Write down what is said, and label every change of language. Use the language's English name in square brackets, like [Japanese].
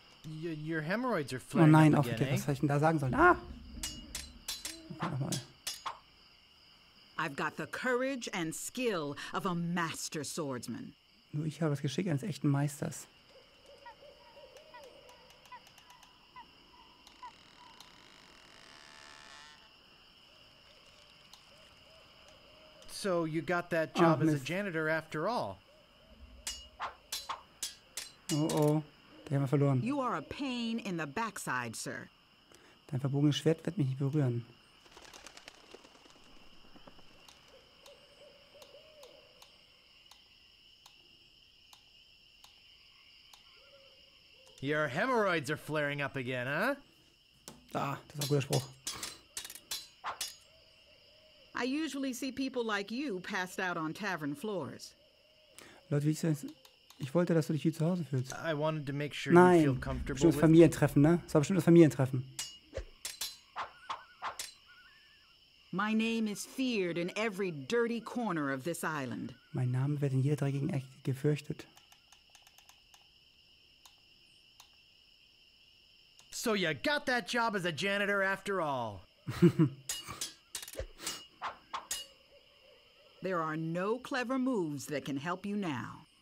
[English] Your hemorrhoids are flaring. [German] Oh nein, auf geht's, was hätte ich denn da sagen sollen? Ah! [English] I've got the courage and skill of a master swordsman. [German] Nur ich habe das Geschick eines echten Meisters. [English] So you got that job as a janitor after all. [German] Oh oh, den haben wir verloren. [English] You are a pain in the backside, sir. [German] Dein verbogenes Schwert wird mich nicht berühren. [English] Your hemorrhoids are flaring up again, huh? [German] Ah, das war ein guter Spruch. [English] I usually see people like you passed out on tavern floors. [German] Leute, wie ich wollte, dass du dich hier zu Hause fühlst. [English] I wanted to make sure [German] Nein, [English] you feel comfortable [German] bestimmt das Familientreffen, ne? Das war bestimmt das Familientreffen. [English] My name is feared in every dirty corner of this island. [German] Mein Name wird in jeder dreckigen Ecke gefürchtet. [English] So you got that job as a janitor after all. There are no clever moves that can help you now.